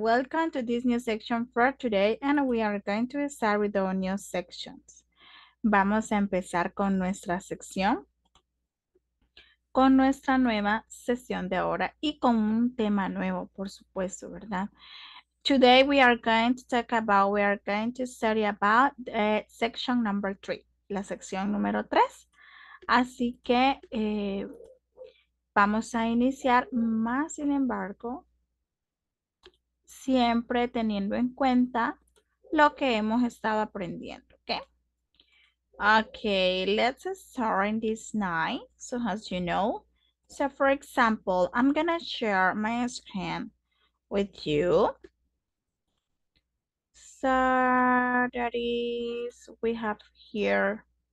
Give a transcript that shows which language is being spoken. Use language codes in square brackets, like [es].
[en] Welcome to this new section for today, and we are going to start with our new sections. [es] Vamos a empezar con nuestra sección. Con nuestra nueva sesión de ahora y con un tema nuevo, por supuesto, ¿verdad? [en] Today we are going to talk about, we are going to study about section number three, [es] la sección número tres. Así que vamos a iniciar, más sin embargo, siempre teniendo en cuenta lo que hemos estado aprendiendo. [en] Okay, let's start in this night. So as you know, so for example, I'm gonna share my screen with you. So that is, we have here.